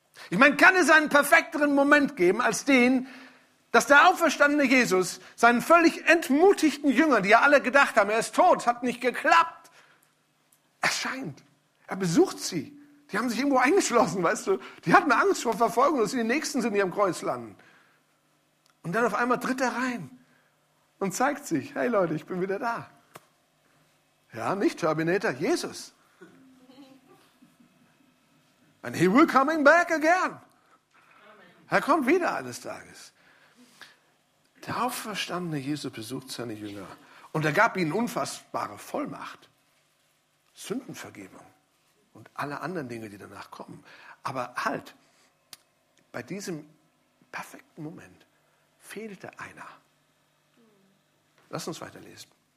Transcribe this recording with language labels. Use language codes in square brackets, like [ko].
[de] Ich meine, kann es einen perfekteren Moment geben als den, dass der auferstandene Jesus seinen völlig entmutigten Jüngern, die ja alle gedacht haben, er ist tot, hat nicht geklappt, erscheint. Er besucht sie. Die haben sich irgendwo eingeschlossen, weißt du. Die hatten Angst vor Verfolgung, dass sie die Nächsten sind, die am Kreuz landen. Und dann auf einmal tritt er rein und zeigt sich, hey Leute, ich bin wieder da. Ja, nicht Terminator, Jesus. [en] And he will coming back again. [de] Er kommt wieder eines Tages. Der auferstandene Jesus besucht seine Jünger und er gab ihnen unfassbare Vollmacht, Sündenvergebung und alle anderen Dinge, die danach kommen. Aber halt, bei diesem perfekten Moment fehlte einer. Lass uns weiterlesen.